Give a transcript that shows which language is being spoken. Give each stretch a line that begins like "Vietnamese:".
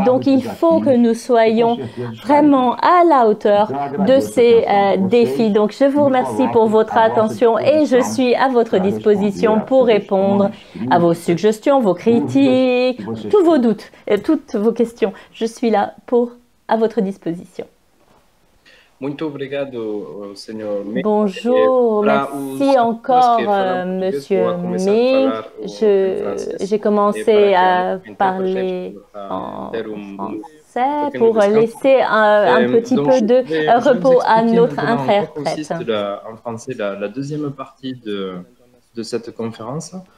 French: Donc, il faut que nous soyons vraiment à la hauteur de ces défis. Donc, je vous remercie pour votre attention et je suis à votre disposition pour répondre à vos suggestions, vos critiques, tous vos doutes et toutes vos questions. Je suis là à votre disposition.
Portuguese: Muito obrigado, senhor Ming.
French: Bonjour, merci encore, monsieur Ming. J'ai commencé à parler français pour laisser un petit peu de repos à notre interprète. En français, la deuxième partie de cette conférence.